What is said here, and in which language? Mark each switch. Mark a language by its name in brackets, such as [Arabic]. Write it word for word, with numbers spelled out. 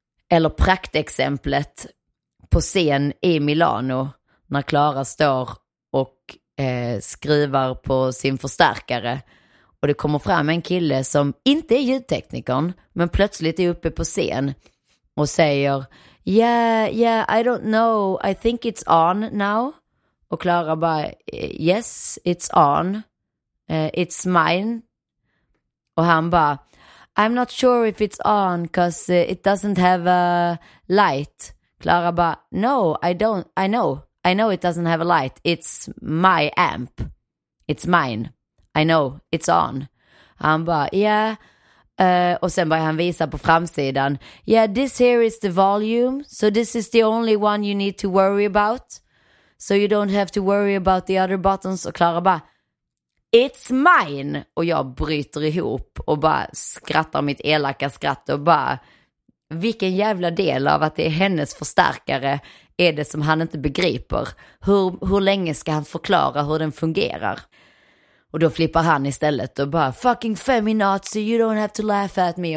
[Swedish] Eller praktexemplet på scen i Milano när Clara står och eh, skriver på sin förstärkare. Och det kommer fram en kille som inte är ljudteknikern, men plötsligt är uppe på scen och säger [English] "Yeah, yeah, I don't know, I think it's on now." [Swedish] Och Clara bara [English] "Yes, it's on, uh, it's mine." [Swedish] Och han bara [English] "I'm not sure if it's on because uh, it doesn't have a light." Clara bara "No, I don't. I know. I know it doesn't have a light. It's my amp. It's mine. I know. It's on." [Swedish] Han bara [English] "Yeah." [Swedish] Uh, och sen börjar han visa på framsidan. [English] "Yeah, this here is the volume. So this is the only one you need to worry about. So you don't have to worry about the other buttons." [Swedish] Och Clara bara [English] "It's mine!" [Swedish] Och jag bryter ihop och bara skrattar mitt elaka skratt och bara vilken jävla del av att det är hennes förstärkare är det som han inte begriper. Hur, hur länge ska han förklara hur den fungerar? Och då flippar han istället och bara [English] "Fucking feminazi, you don't have to laugh at me."